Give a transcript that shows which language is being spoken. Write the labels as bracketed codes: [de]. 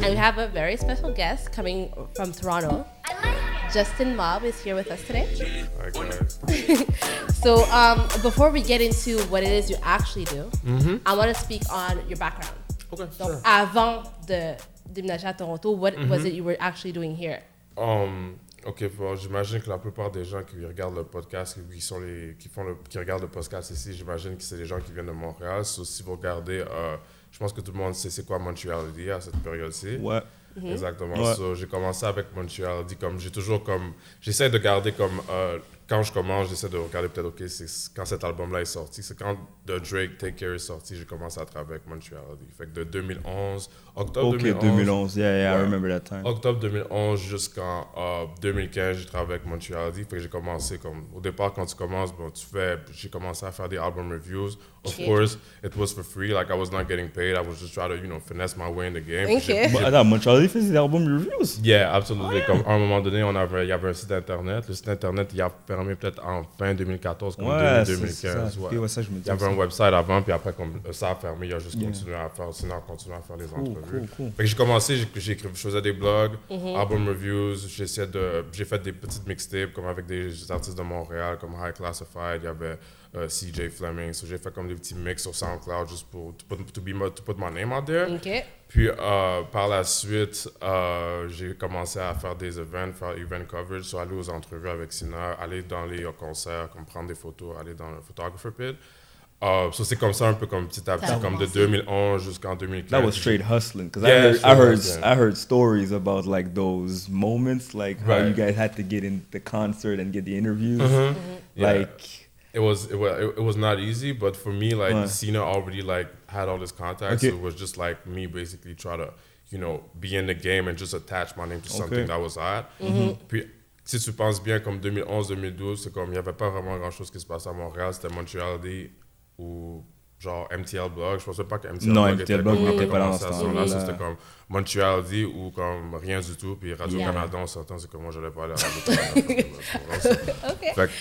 [en] And we have a very special guest coming from Toronto. I like Justin Mobb is here with us today. Okay. So before we get into what it is you actually do, I want to speak on your background. Okay, sure. [fr] Avant de déménager à Toronto, [en] what was it you were actually doing here? [fr] Ok, bon, j'imagine que la plupart des gens qui regardent le podcast, qui regardent le podcast ici, j'imagine que c'est des gens qui viennent de Montréal. So, si vous regardez, je pense que tout le monde sait c'est quoi Montreal D à cette période-ci. Ouais. Exactement. Ouais. So, j'ai commencé avec Montreal D, comme j'ai toujours comme, j'essaie de garder comme, quand je commence, j'essaie de regarder peut-être, ok, c'est quand cet album-là est sorti, c'est quand The Drake Take Care est sorti, j'ai commencé à travailler avec Montreal D. Fait que de 2011, octobre 2011 jusqu'en 2015, j'ai travaillé avec Montreal D. Fait que j'ai commencé comme, au départ, quand tu commences, bon, j'ai commencé à faire des album reviews. [en] Of course, it was for free, like I was not getting paid, I was just trying to, you know, finesse my way in the game. [fr] Attends, Montreal D faisait des album reviews? [en] Yeah, absolutely. Oh, yeah. [fr] Comme à un moment donné, il y avait un site internet, le site internet, il y a fermé peut-être en fin 2014, comme 2015. Ça. Ouais. Il y avait un website avant, puis après, comme ça a fermé, il a juste continué à faire, sinon continué à faire les entrevues. Cool. Fait que j'ai commencé, j'écrivais, je faisais des blogs, album reviews, j'ai fait des petites mixtapes, comme avec des artistes de Montréal, comme High Classified, il y avait CJ Fleming, so j'ai fait comme des petits mix sur SoundCloud, juste pour [en] to put my name out there. [fr] Okay. Puis par la suite, j'ai commencé à faire des events, faire event coverage, soit aller aux entrevues avec Sina, aller dans les concerts, comme prendre des photos, aller dans le photographer pit. So c'est comme ça un peu comme petit à petit, comme de 2011 jusqu'en 2015. [en] That was straight hustling, because I heard stories about like those moments, like how you guys had to get in the concert and get the interviews, like. Yeah. It was not easy, but for me, like, Sina already, like, had all this contact, so it was just, like, me basically try to, you know, be in the game and just attach my name to something that was hot. [fr] Puis, si tu penses bien, comme 2011-2012, c'est comme, il n'y avait pas vraiment grand-chose qui se passait à Montréal, c'était Montreal D ou, genre, MTL Blog, je ne pensais pas que MTL Blog était pas là. Ça, c'était comme Montreal D ou comme rien du tout, puis Radio-Canada, on s'entend, c'est comme moi, je n'allais pas aller à Radio-Canada.